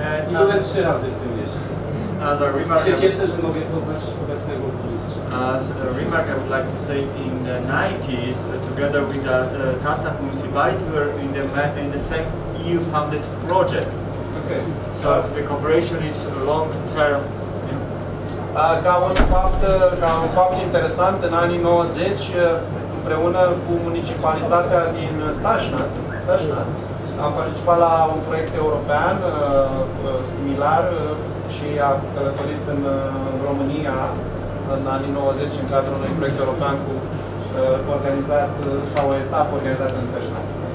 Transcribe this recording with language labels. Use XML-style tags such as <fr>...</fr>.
<pl>I byłem trzy razy w tym mieście. Cieszę się, że mogę poznać obecnego burmistrza.</pl> <en>As a remark, I would like to say, in the 90s, together with the Tasnad municipality, we're in the, same EU-funded project. Okay. So the cooperation is long-term.</en> <ro>Ca un fapt interesant, în anii 90, împreună cu municipalitatea din Tasnad, am participat la un proiect european similar și a călătorit în România în anii 90 în cadrul unui proiect european cu organizat sau o etapă organizată în Tasnad.</ro>